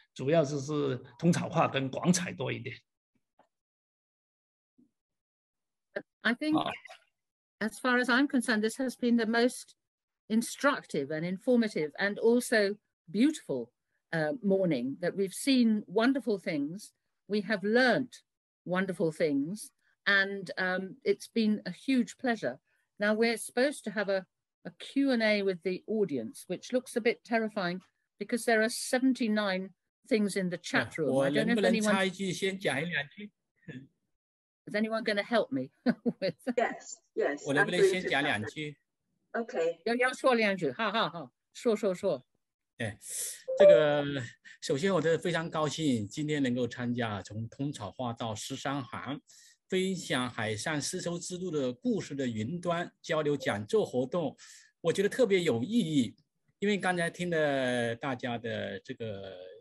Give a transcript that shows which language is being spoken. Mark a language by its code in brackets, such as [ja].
[zh] 主要就是通草画跟广彩多一点。 [en] I think, as far as I'm concerned, this has been the most instructive and informative and also beautiful, morning that we've seen wonderful things. We have learnt wonderful things, and, it's been a huge pleasure. Now we're supposed to have a Q&A with the audience, which looks a bit terrifying because there are 79. things in the chat room. [zh] 我能不能插一句先讲一两句 [en] Is anyone going to help me? Yes. [zh] 我能不能先讲两句 [en] Okay. [zh] 要说两句好好好说对这个首先我真的非常高兴今天能够参加从通草画到十三行分享海上丝绸之路的故事的云端交流讲座活动我觉得特别有意义因为刚才听了大家的这个